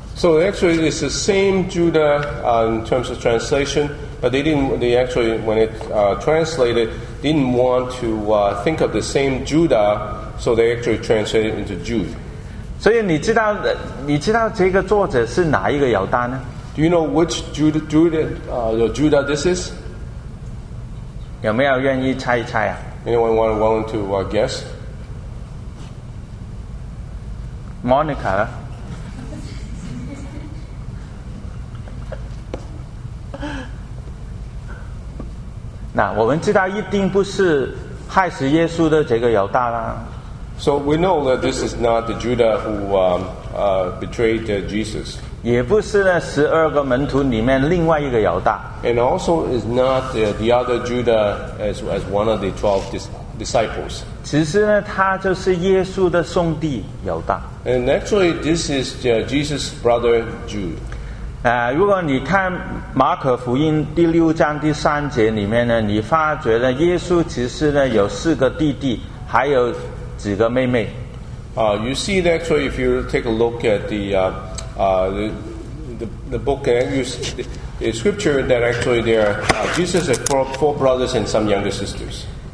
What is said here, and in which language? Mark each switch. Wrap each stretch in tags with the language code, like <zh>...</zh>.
<en>So actually, it's the same Judah in terms of translation, but when it translated, didn't want to think of the same Judah, so they actually translated into Jude.</en> <zh>所以你知道这个作者是哪一个犹大呢?</zh> <en>Do you know which Judah this is?</en> <zh>有没有愿意猜一猜啊?</zh> <en>Anyone willing to guess? Monica. Now, we So we know that this is not the Judah who betrayed Jesus.</en> <zh>也不是呢12个门徒里面另外一个犹大。</zh> <en>And also is not the other Judah as one of the 12 disciples. disciples.</en> <zh>其实呢, 他就是耶稣的兄弟,</zh> <en>and actually, this is Jesus' brother Jude.</en> <zh>如果你看马可福音第六章第三节里面呢, 你发觉了耶稣其实呢, 有四个弟弟, 还有几个妹妹。</zh> <en>You see, actually, if you take a look at the book and use the scripture, that actually there Jesus had four brothers and some younger sisters.</en>